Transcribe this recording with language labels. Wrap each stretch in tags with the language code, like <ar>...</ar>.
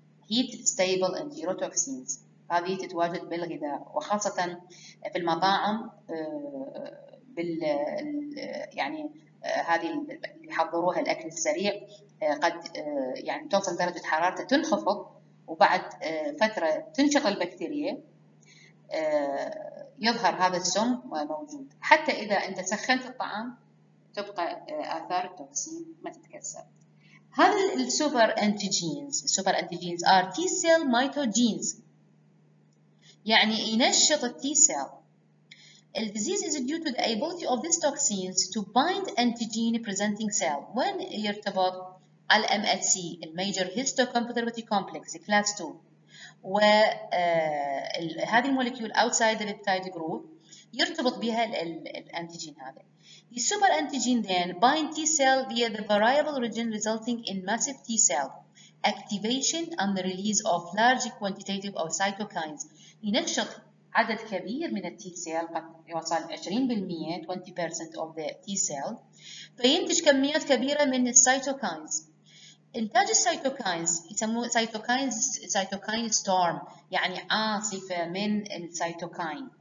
<ar>هيت ستيبل انتيروتوكسينز هذه تتواجد بالغذاء، وخاصه في المطاعم بال يعني هذه اللي يحضروها الاكل السريع، قد يعني توصل درجه حرارته تنخفض، وبعد فتره تنشط البكتيريا يظهر هذا السم موجود. حتى اذا انت سخنت الطعام تبقى اثار التوكسين ما تتكسر. هذا السوبر انتيجينز، السوبر انتيجينز ار تي سيل مايتوجينز، يعني ينشط التي سيل.</ar> <en>The disease is due to the ability of these toxins to bind antigen-presenting cell. When</en> <ar>يرتبط على</ar> <en>MHC, Major Histocompatibility Complex, Class 2,</en> <ar>وهذه المولكيول</ar> <en>outside the peptide group</en> <ar>يرتبط بها الانتيجين هذا.</ar> <en>The super antigen then bind T-cell via the variable region resulting in massive T-cell activation and the release of large quantitative of cytokines.</en> <ar>ينشط عدد كبير من التي سيل، قد يوصل 20% 20%</ar> <en>of the T cell،</en> <ar>فينتج كميات كبيرة من السيتوكاينز. إنتاج السيتوكاينز يسموه سيتوكاينز سيتوكاين ستورم، يعني عاصفة من السيتوكاين.</ar>